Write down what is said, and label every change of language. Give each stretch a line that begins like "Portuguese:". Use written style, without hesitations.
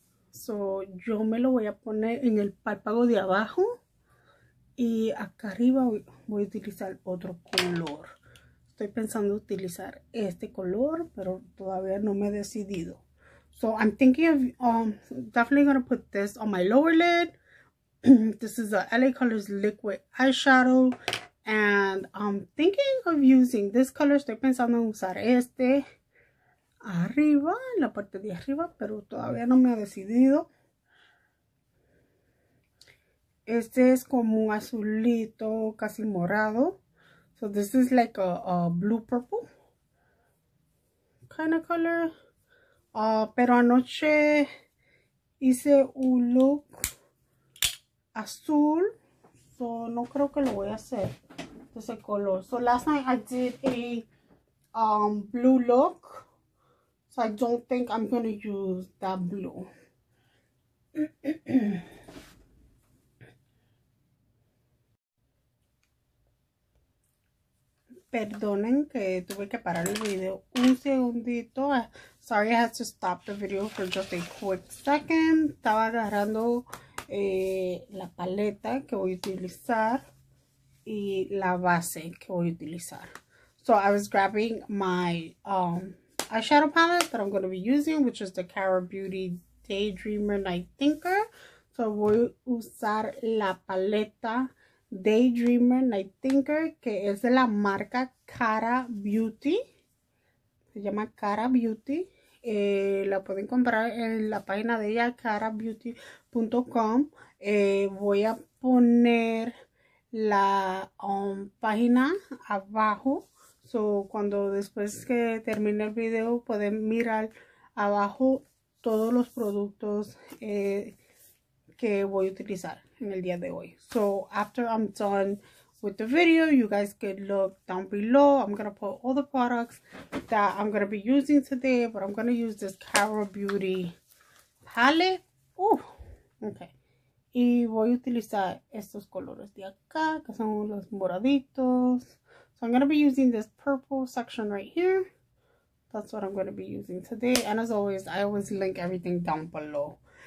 Spanish: So, yo me lo voy a poner en el párpado de abajo y acá arriba voy a utilizar otro color. Estoy pensando utilizar este color, pero todavía no me he decidido.
English: So, I'm thinking of definitely going to put this on my lower lid. This is the LA Colors Liquid Eyeshadow. And I'm thinking of using this color.
Spanish: Estoy pensando en usar este arriba, en la parte de arriba, pero todavía no me he decidido. Este es como un azulito, casi morado.
English: So this is like a blue purple kind of color.
Spanish: Pero anoche hice un look azul. So no creo que lo voy a hacer de ese color.
English: So last night I did a blue look. So I don't think I'm going to use that blue.
Spanish: Perdonen que tuve que parar el video un segundito.
English: Sorry I had to stop the video for just a quick second.
Spanish: Estaba agarrando la paleta que voy a utilizar y la base que voy a utilizar.
English: So I was grabbing my eyeshadow palette that I'm going to be using, which is the Cara Beauty Daydreamer Night Thinker.
Spanish: So voy a usar la paleta Daydreamer Night Thinker, que es de la marca Cara Beauty. Se llama Cara Beauty. La pueden comprar en la página de ella, carabeauty.com. Voy a poner la página abajo. So, cuando después que termine el video, pueden mirar abajo todos los productos que voy a utilizar en el día de hoy.
English: So, after I'm done with the video, you guys can look down below. I'm going to put all the products that I'm going to be using today, but I'm going to use this Cara Beauty palette. Ooh, okay.
Spanish: Y voy a utilizar estos colores de acá, que son los moraditos.
English: So I'm going to be using this purple section right here. That's what I'm going to be using today. And as always, I always link everything down below.